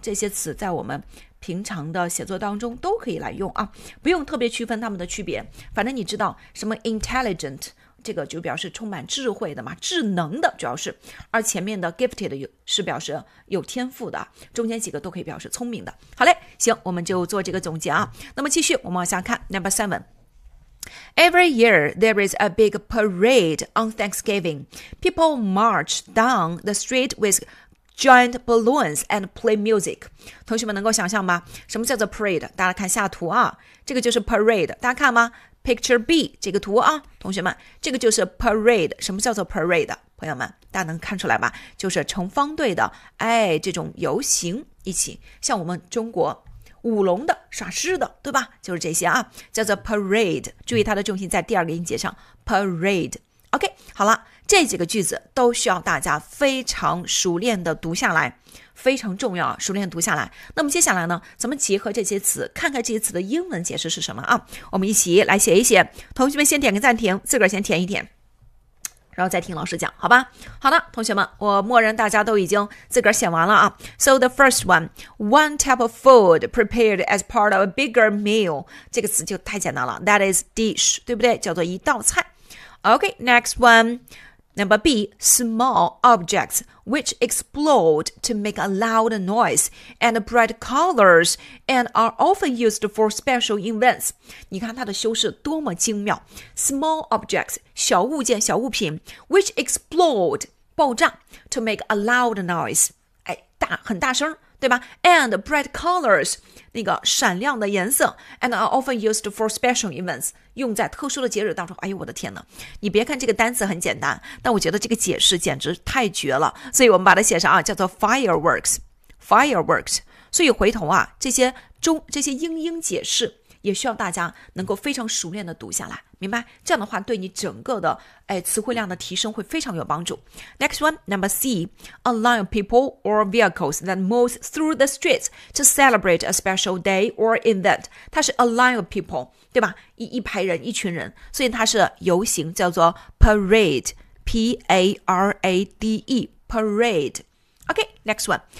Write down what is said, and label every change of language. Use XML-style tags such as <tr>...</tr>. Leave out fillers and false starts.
<zh>这些词在我们平常的写作当中都可以来用啊，不用特别区分它们的区别，反正你知道什么 intelligent,这个就表示充满智慧的嘛，智能的主要是，而前面的 gifted 是表示有天赋的，中间几个都可以表示聪明的。好嘞，行，我们就做这个总结啊。那么继续我们往下看 number seven.</zh> <en>Every year there is a big parade on Thanksgiving. People march down the street with giant balloons and play music.</en> <zh>同学们能够想象吗？什么叫做 parade? 大家看下图啊，这个就是 parade, 大家看吗？ Picture B 这个图啊，同学们，这个就是 parade。什么叫做 parade? 朋友们，大家能看出来吧？就是成方队的，哎，这种游行，一起像我们中国舞龙的、耍狮的，对吧？就是这些啊，叫做 parade。注意它的重心在第二个音节上， parade。 OK, 好了，这几个句子都需要大家非常熟练的读下来，非常重要，熟练读下来。那么接下来呢，咱们结合这些词看看这些词的英文解释是什么啊，我们一起来写一写。同学们先点个暂停，自个儿先填一填，然后再听老师讲，好吧？好的，同学们，我默认大家都已经自个儿写完了啊。</zh> <en>So the first one, one type of food prepared as part of a bigger meal,</en> <zh>这个词就太简单了，</zh> <en>that is dish, 对不对？</en> <zh>叫做一道菜。</zh> <en>OK, next oneNumber B, small objects which explode to make a loud noise and bright colors and are often used for special events.</en> <zh>你看它的修饰多么精妙。</zh> <en>Small objects,</en> <zh>小物件、小物品</zh> <en>which explode,</en> <zh>爆炸</zh> <en>to make a loud noise.</en> <zh>哎，大，很大声，对吧？</zh> <en>And bright colors,</en> <zh>那个闪亮的颜色</zh> <en>and are often used for special events.</en> <zh>用在特殊的节日当中，哎呦我的天哪，你别看这个单词很简单，但我觉得这个解释简直太绝了，所以我们把它写上啊，叫做 fireworks, fireworks, 所以回头啊，这些英英解释也希望大家能够非常熟练的读下来，明白？这样的话对你整个的词汇量的提升会非常有帮助。</zh> <en>Next one, number C, a line of people or vehicles that moves through the streets to celebrate a special day or event.</en> <zh>它是</zh> <en>a line of people,</en> <zh>对吧？一排人，一群人，所以它是游行，叫做 parade, P-A-R-A-D-E, parade.</zh> <en>Okay, next one.</en>